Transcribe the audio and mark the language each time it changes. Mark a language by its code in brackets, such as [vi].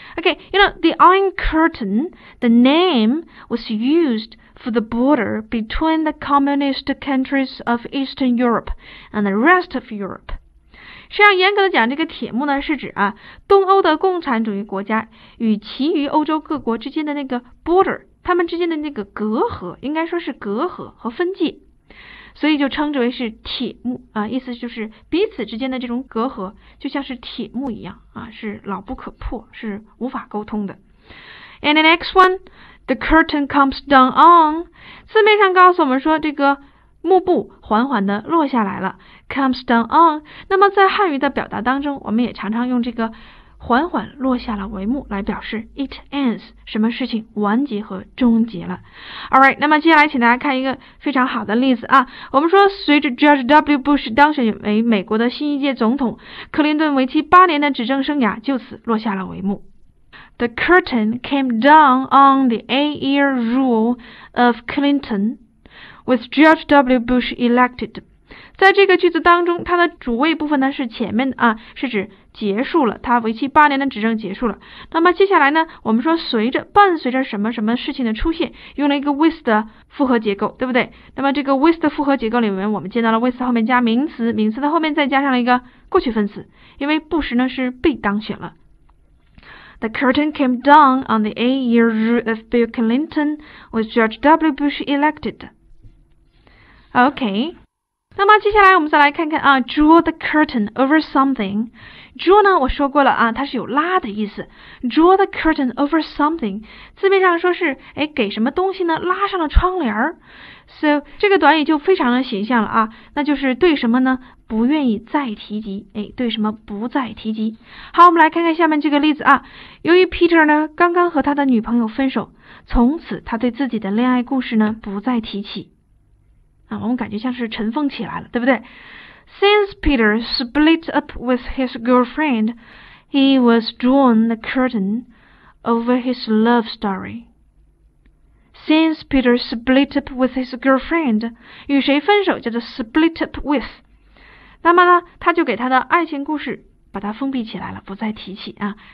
[en] OK， you know The Iron Curtain， the name was used for the border between the communist countries of Eastern Europe and the rest of Europe。 [zh] 实际上严格的讲，这个铁幕呢是指啊东欧的共产主义国家与其余欧洲各国之间的那个 border，他们之间的那个隔阂，应该说是隔阂和分界，所以就称之为是铁幕啊，意思就是彼此之间的这种隔阂就像是铁幕一样啊，是牢不可破，是无法沟通的。 [en] And the next one, the curtain comes down on， [zh] 字面上告诉我们说这个幕布缓缓的落下来了， [en] comes down on。 [zh] 那么在汉语的表达当中，我们也常常用这个缓缓落下了帷幕来表示 [en] it ends， [zh] 什么事情完结和终结了。 Alright， 那么接下来请大家看一个非常好的例子啊。我们说随着 George W. Bush 当选为美国的新一届总统，克林顿为期八年的执政生涯就此落下了帷幕。 [en] The curtain came down on the eight-year rule of Clinton with George W. Bush elected。 [zh] 在这个句子当中，它的主谓部分呢是前面啊，是指结束了，它为期八年的执政结束了。那么接下来呢，我们说随着伴随着什么什么事情的出现，用了一个 with 的复合结构，对不对？那么这个 with 的复合结构里面，我们见到了 with 后面加名词，名词的后面再加上了一个过去分词，因为布什呢是被当选了。 [en] The curtain came down on the eight-year rule of Bill Clinton with George W. Bush elected. OK。 [zh] 那么接下来我们再来看看啊 [en] draw the curtain over something。 [zh] draw 呢我说过了啊，它是有拉的意思。 [en] draw the curtain over something [zh] 字面上说是哎给什么东西呢拉上了窗帘。 so 这个短语就非常的形象了啊，那就是对什么呢不愿意再提及，哎，对什么不再提及。好，我们来看看下面这个例子啊。由于 Peter 呢刚刚和他的女朋友分手，从此他对自己的恋爱故事呢不再提起啊，我们感觉像是尘封起来了，对不对？ [en] Since Peter split up with his girlfriend, he was drawn the curtain over his love story. Since Peter split up with his girlfriend, [zh] 与谁分手叫做 [en] split up with， [zh] 那么呢他就给他的爱情故事把它封闭起来了，不再提起啊。